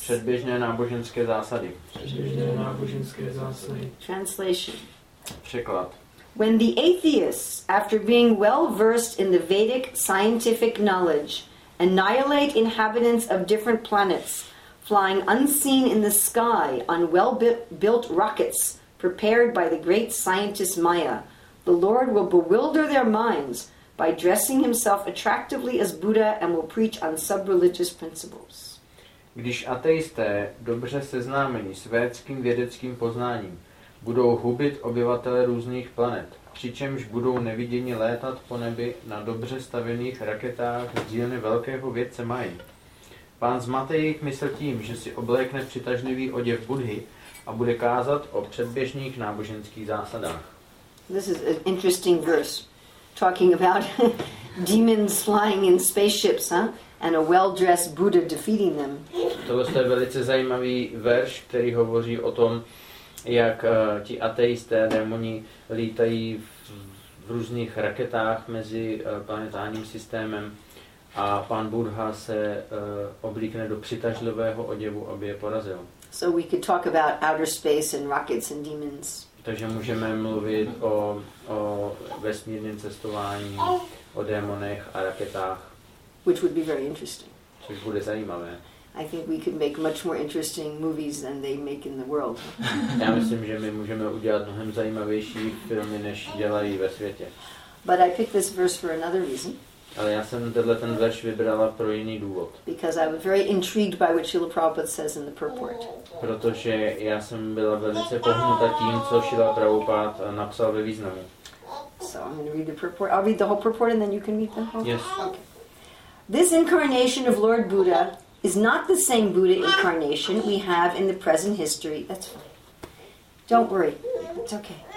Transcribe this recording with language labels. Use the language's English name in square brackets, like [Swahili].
[Czech] Předběžné náboženské zásady. [English] Translation. [Czech] Překlad. [English] When the atheists, after being well versed in the Vedic scientific knowledge, annihilate inhabitants of different planets, flying unseen in the sky on well-built rockets prepared by the great scientist Maya, the Lord will bewilder their minds by dressing himself attractively as Buddha and will preach on sub-religious principles. [Czech] Když ateisté, dobře seznámení s védským vědeckým poznáním, budou hubit obyvatele různých planet, přičemž budou neviděni létat po nebi na dobře stavěných raketách z dílny velkého vědce Mají. Pán zmate jejich mysl tím, že si oblékne přitažlivý oděv Budhy a bude kázat o předběžných náboženských zásadách. [English] This is an interesting verse talking about demons flying in spaceships, huh? And a well-dressed Buddha defeating them. [Czech] Tohle je velice zajímavý verš, který hovoří o tom, jak ti ateisté, démoni lítají v různých raketách mezi planetárním systémem a pán Buddha se oblíkne do přitažlivého oděvu, aby je porazil. [English] So we could talk about outer space and rockets and demons. [Czech] Takže můžeme mluvit o vesmírném cestování, o démonech a raketách. [English] Which would be very interesting. [Czech] Což bude zajímavé. [English] I think we could make much more interesting movies than they make in the world. [Czech] Já myslím, že my můžeme udělat mnohem zajímavější filmy, než dělají ve světě. [English] But I picked this verse for another reason. [Czech] Ale já jsem ten verš vybrala pro jiný důvod. [English] Because I was very intrigued by what Srila Prabhupada says in the purport. [Czech] Protože já jsem byla velice pohnuta tím, co Srila Prabhupada napsal ve významu. [English] So I'm going to read the purport. I'll read the whole purport and then you can read the whole. Yes. Okay. This incarnation of Lord Buddha is not the same Buddha incarnation we have in the present history. That's fine. Don't worry. It's okay.